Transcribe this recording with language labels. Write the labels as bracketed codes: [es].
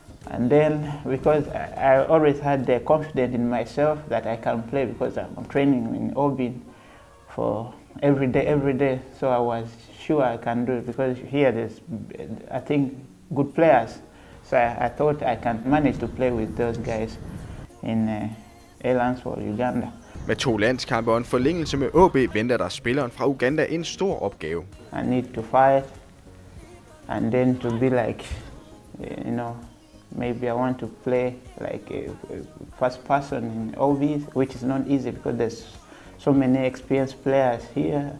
[en] And then, because I always had the confidence in myself that I can play, because I'm training in Obin for every day, so I was sure I can do it, because here there's, I think, good players. So I thought I can manage to play with those guys in A-lands for Uganda. [da] Med 2 landskampe og en forlængelse med AB venter der spilleren fra Uganda en stor opgave. [en] I need to fight and then to be like, you know, maybe I want to play like a first person in AB, which is not easy because there's so many experienced players here.